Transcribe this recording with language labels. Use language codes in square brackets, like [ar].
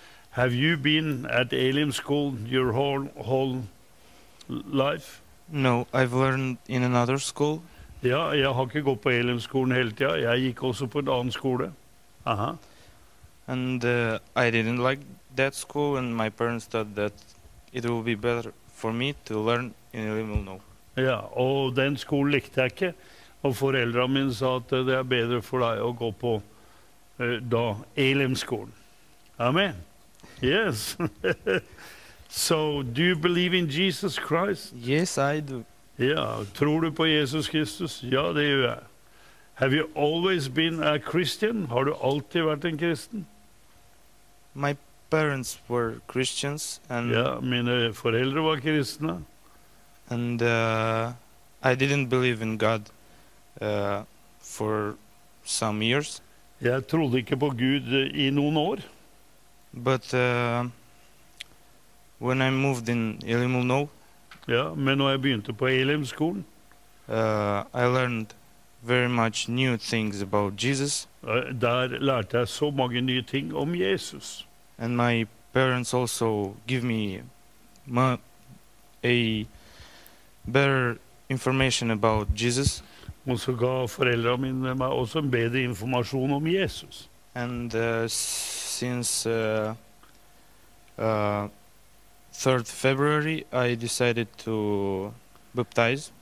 [en] Have you been at Alien School your whole life? No, I've learned in another school. [no] Ja, jeg har ikke gått på Alien skolen hele tiden. Jeg gikk også på en annen skole. Aha. [en] And I didn't like that school and my parents thought that it would be better for me to learn in Illinois. [no] Ja, og den skolen likte jeg ikke. Og foreldrene mine sa at det bedre for deg å gå på da Elim-skolen. [en] Amen. Yes. So, do you believe in Jesus Christ? Yes, I do. [no] Ja, tror du på Jesus Kristus? Ja, det gjør jeg. [en] Have you always been a Christian? [no] Har du alltid vært en kristen? [en] My parents were Christians. And [no] ja, mine foreldre var kristne. [en] And I didn't believe in God for some years. [no] Jeg trodde ikke på Gud I noen år. [en] But when I moved in Illinois. [no] Ja, men når jeg begynte på Elim-skolen. [en] I learned very much new things about Jesus. [no] Der lærte jeg så mange nye ting om Jesus. [en] And my parents also give me a better information about Jesus. [no] Og så ga foreldrene mine meg også en bedre informasjon om Jesus. [en] And since 3rd February, I decided to baptize.